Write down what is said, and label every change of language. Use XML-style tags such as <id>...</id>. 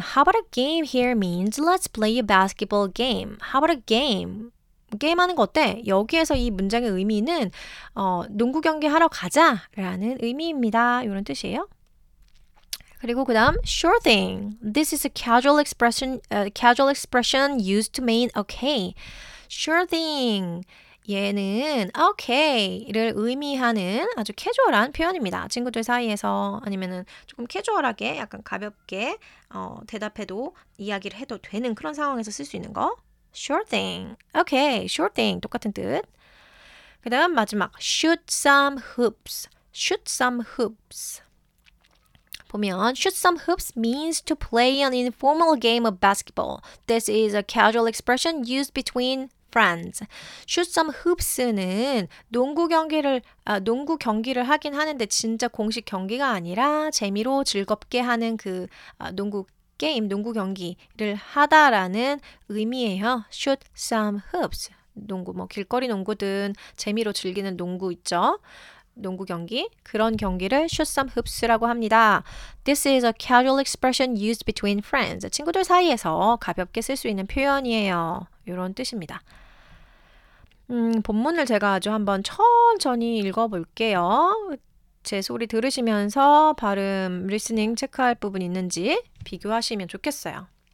<en>How about a game here means let's play a basketball game. How about a game?</en> <ko>게임하는 거 어때? 여기에서 이 문장의 의미는 농구 경기 하러 가자 라는 의미입니다. 이런 뜻이에요. 그리고 그 다음 Sure thing.</ko> <en>This is a casual expression, used to mean okay. Sure thing.</en> <ko>얘는 okay를 의미하는 아주 캐주얼한 표현입니다. 친구들 사이에서 아니면은 조금 캐주얼하게 약간 가볍게 대답해도 이야기를 해도 되는 그런 상황에서 쓸 수 있는 거.</ko> <en>Sure thing. Okay, sure thing.</en> <ko>똑같은 뜻. 그 다음 마지막 shoot some hoops.</ko> <en>Shoot some hoops.</en> <ko>보면</ko> <en>shoot some hoops means to play an informal game of basketball. This is a casual expression used between friends.</en> <ko>Shoot some hoops는 농구 경기를 하긴 하는데 진짜 공식 경기가 아니라 재미로 즐겁게 하는 그 농구 경기를 하다라는 의미예요.</ko> <en>Shoot some hoops.</en> <ko>농구 뭐 길거리 농구든 재미로 즐기는 농구 있죠. 농구 경기 그런 경기를 shoot some hoops라고 합니다.</ko> <en>This is a casual expression used between friends.</en> <ko>친구들 사이에서 가볍게 쓸 수 있는 표현이에요. 이런 뜻입니다. 본문을 제가 아주 한번 천천히 읽어볼게요. 제 소리 들으시면서 발음, 리스닝 체크할 부분 있는지 비교하시면 좋겠어요.</ko>